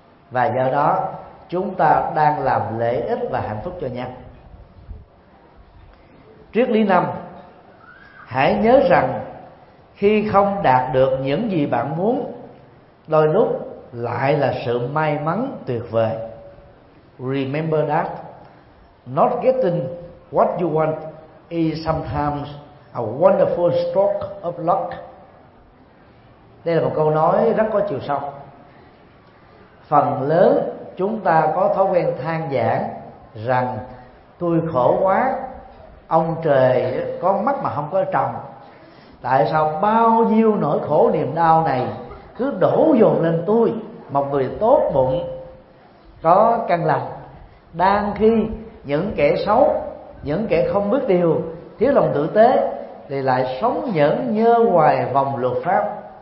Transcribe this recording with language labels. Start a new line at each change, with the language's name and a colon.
Vietnamese: Và do đó chúng ta đang làm lễ ích và hạnh phúc cho nhau. Triết lý năm, hãy nhớ rằng khi không đạt được những gì bạn muốn, đôi lúc lại là sự may mắn tuyệt vời.
English: Remember that not getting what you want is sometimes a wonderful stroke of luck.
Vietnamese: Đây là một câu nói rất có chiều sâu. Phần lớn chúng ta có thói quen than vãn rằng tôi khổ quá, ông trời có mắt mà không có trồng, tại sao bao nhiêu nỗi khổ niềm đau này cứ đổ dồn lên tôi, một người tốt bụng có căn lành, đang khi những kẻ xấu, những kẻ không biết điều, thiếu lòng tử tế thì lại sống nhẫn nhơ hoài vòng luật pháp.